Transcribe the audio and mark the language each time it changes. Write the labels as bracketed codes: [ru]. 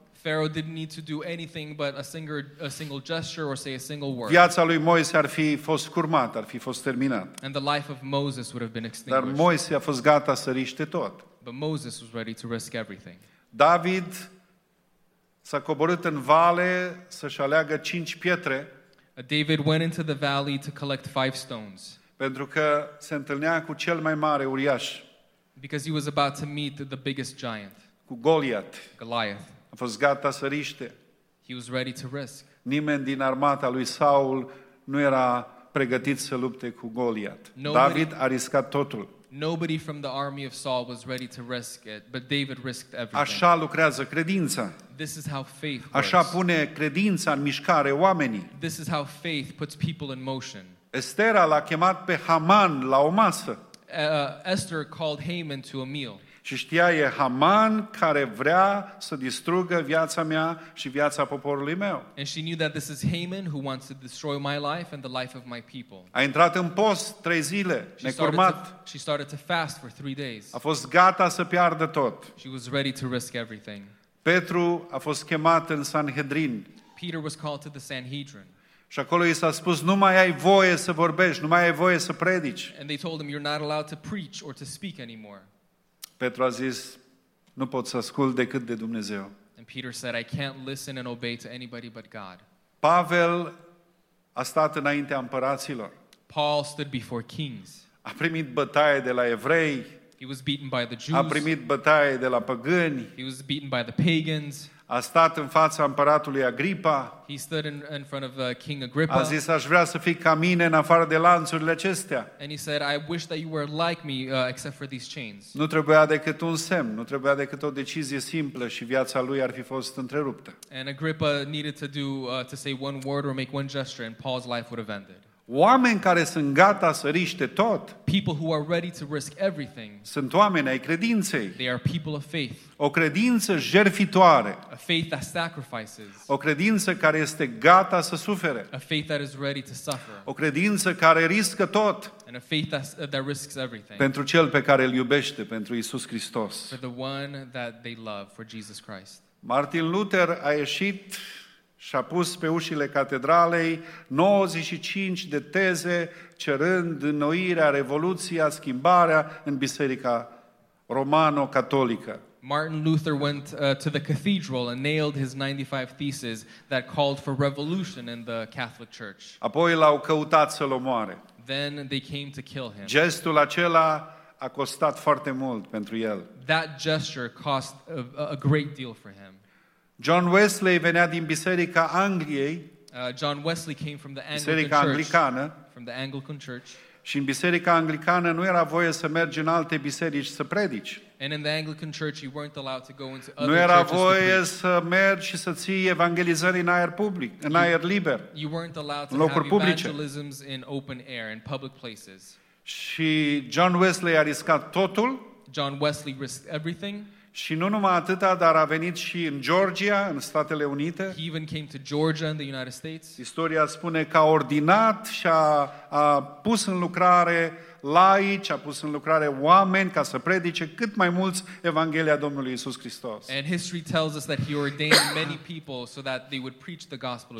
[en] Pharaoh didn't need to do anything but a single gesture or say a single word. [ro] Viața lui Moise ar fi fost curmată, ar fi fost terminat. [en] And the life of Moses would have been extinguished. [ro] Dar Moise a fost gata să riște tot. [en] But Moses was ready to risk everything. [ro] David s-a coborât în vale să-și aleagă 5 pietre. [en] David went into the valley to collect 5 stones. [ro] Pentru că se întâlnea cu cel mai mare uriaș. [en] Because he was about to meet the biggest giant. [ro] Cu Goliath. [en] Goliath. [ro] A fost gata să riște. [en] He was ready to risk. [ro] Nimeni din armata lui Saul nu era pregătit să lupte cu Goliath. [en] Nobody, [ro] David a riscat totul. [en] Nobody from the army of Saul was ready to risk it, but David risked everything. [ro] Așa lucrează credința. [en] This is how faith works. [ro] Așa pune credința în mișcare oamenii. [en] This is how faith puts people in motion. [ro] Estera l-a chemat pe Haman la o masă. [en] Esther called Haman to a meal. [ro] Și știa, e Haman care vrea să distrugă viața mea și viața poporului meu. [en] And she knew that this is Haman who wants to destroy my life and the life of my people. [ro] A intrat în post 3 zile, necurmat. [en] She started to fast for 3 days. [ro] A fost gata să piardă tot. [en] She was ready to risk everything. [ro] Petru a fost chemat în Sanhedrin. [en] Peter was called to the Sanhedrin. [ro] Și acolo i s-a spus, nu mai ai voie să vorbești, nu mai ai voie să predici. [en] And they told him, you're not allowed to preach or to speak anymore. [ro] Petru a zis, nu pot să ascult decât de Dumnezeu. [en] And Peter said, I can't listen and obey to anybody but God. [ro] Pavel a stat înaintea împăraților. [en] Paul stood before kings. [ro] A primit bătaie de la evrei. [en] He was beaten by the Jews. [ro] A primit bătaie de la păgâni. [en] He was beaten by the pagans. [ro] A stat în fața împăratului Agripa. [en] He stood in front of King Agrippa. [ro] A zis, aș vrea să fii ca mine în afară de lanțurile acestea. [en] And he said, I wish that you were like me except for these chains. [ro] Nu trebuia decât un semn, nu trebuia decât o decizie simplă și viața lui ar fi fost întreruptă. [en] And Agrippa needed to do to say one word or make one gesture and Paul's life would have ended. [ro] Oameni care sunt gata să riște tot. [en] People who are ready to risk everything. [ro] Sunt oameni ai credinței. [en] They are people of faith. [ro] O credință jertfitoare. [en] A faith that sacrifices. [ro] O credință care este gata să sufere. [en] A faith that is ready to suffer. [ro] O credință care riscă tot. [en] And a faith that risks everything. [ro] Pentru cel pe care îl iubește, pentru Iisus Hristos. [en] For the one that they love, for Jesus Christ. [ro] Martin Luther a ieșit și a pus pe ușile catedralei 95 de teze cerând înnoirea, revoluția, schimbarea în Biserica Romano-Catolică. [en] Martin Luther went to the cathedral and nailed his 95 theses that called for revolution in the Catholic Church. [ro] Apoi l-au căutat să-l omoare. [en] Then they came to kill him. [ro] Gestul acela a costat foarte mult pentru el. [en] That gesture cost a great deal for him. [ro] John Wesley venea din Biserica Angliei. [en] John Wesley came from the Anglican [ro] Biserica [en] Church. [ro] Anglicană, [en] from the Anglican Church. [ro] Și în Biserica Anglicană nu era voie să mergi în alte biserici să predici. [en] And in the Anglican Church you weren't allowed to go into other. [ro] Nu era voie să mergi și să ții evangelizări în aer public, în aer liber. [en] You weren't allowed to have evangelisms in open air in public places. [ro] Și John Wesley a riscat totul. [en] John Wesley risked everything. [ro] Și nu numai atâta, dar a venit și în Georgia, în Statele Unite. [en] He even came to Georgia in the United States. [ro] Istoria spune că a ordinat și a pus în lucrare laici, a pus în lucrare oameni ca să predice cât mai mulți Evanghelia Domnului Iisus Hristos. [en] And history tells us that he ordained many people so that they would preach the gospel of